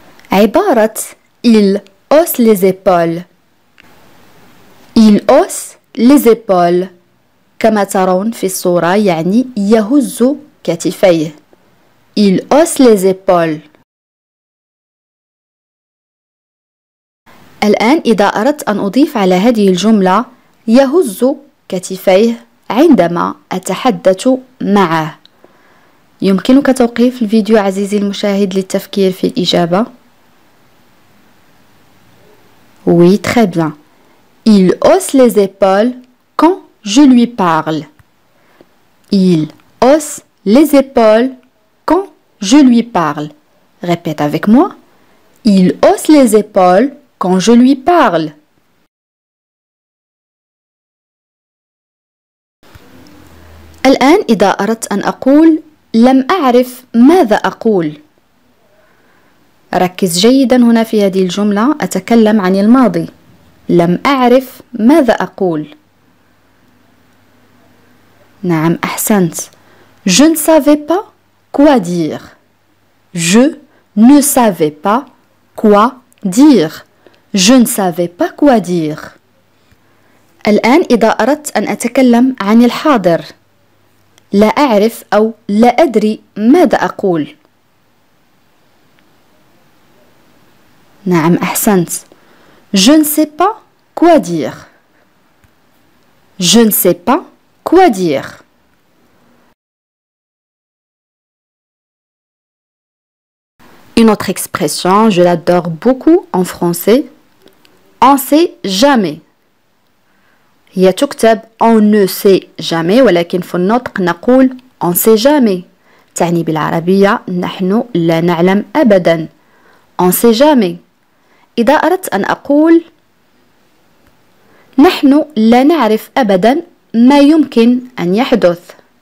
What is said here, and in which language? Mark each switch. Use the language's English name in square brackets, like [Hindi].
[Arabic] عبارة [French] il hausse les épaules. Il hausse les épaules. [Arabic] كما ترون في الصورة يعني يهز كتفيه. [French] Il hausse les épaules. [Arabic] الآن إذا أردت أن أضيف على هذه الجملة يهز كتفيه عندما أتحدث معه, يمكنك توقيف الفيديو عزيزي المشاهد للتفكير في الإجابة. [French] Oui, très bien. Il hausse les épaules quand Je lui parle. Il hausse les épaules quand je lui parle. Répète avec moi. Il hausse les épaules quand je lui parle. [Arabic] الآن إذا أردت أن أقول لم أعرف ماذا أقول. ركز جيدا هنا في هذه الجملة, أتكلم عن الماضي. لم أعرف ماذا أقول. نعم أحسنت. [French] Je ne savais pas quoi dire. Je ne savais pas quoi dire. Je ne savais pas quoi dire. [Arabic] الآن إذا أردت أن أتكلم عن الحاضر, لا أعرف أو لا أدري ماذا أقول. نعم أحسنت. [French] Je ne sais pas quoi dire. Je ne sais pas quoi dire. Une autre expression, je l'adore beaucoup en français. On sait jamais. [Arabic] هي تكتب [French] on ne sait jamais [Arabic] ولكن في النطق نقول [French] on sait jamais. [Arabic] تعني بالعربية نحن لا نعلم أبدا. [French] On sait jamais. [Arabic] إذا أردت أن أقول نحن لا نعرف أبدا ما يمكن أن يحدث.